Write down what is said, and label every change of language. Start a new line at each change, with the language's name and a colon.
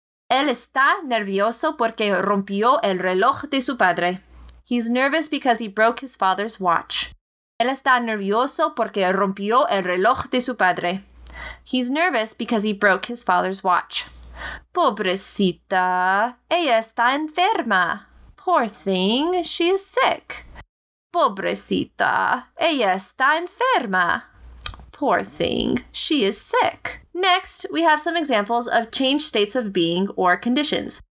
Spanish: Él está nervioso porque rompió el reloj de su padre.
English: He's nervous because he broke his father's watch.
Spanish: Él está nervioso porque rompió el reloj de su padre.
English: He's nervous because he broke his father's watch.
Spanish: Pobrecita, ella está enferma.
English: Poor thing, she is sick.
Spanish: Pobrecita, ella está enferma.
English: Poor thing, she is sick. Next, we have some examples of changed states of being or conditions.